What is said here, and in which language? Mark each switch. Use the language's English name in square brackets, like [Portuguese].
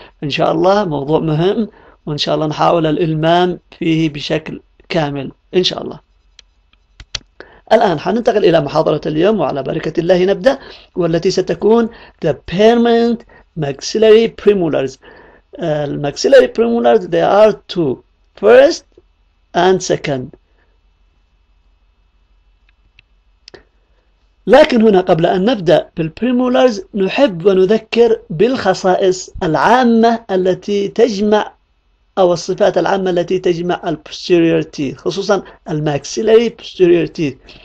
[Arabic] إن شاء الله موضوع مهم، وإن شاء الله نحاول الإلمام فيه بشكل كامل إن شاء الله. الآن حننتقل إلى محاضرة اليوم، وعلى بركة الله نبدأ، والتي ستكون The Permanent Maxillary Premolars. [English] Maxillary premolars, they are two, first and second. [Arabic] لكن هنا قبل أن نبدأ بالبريمولارز نحب ونذكر بالخصائص العامة التي تجمع، أو الصفات العامة التي تجمع البوستيريور تيث، خصوصا الماكسيلاري بوستيريور تيث.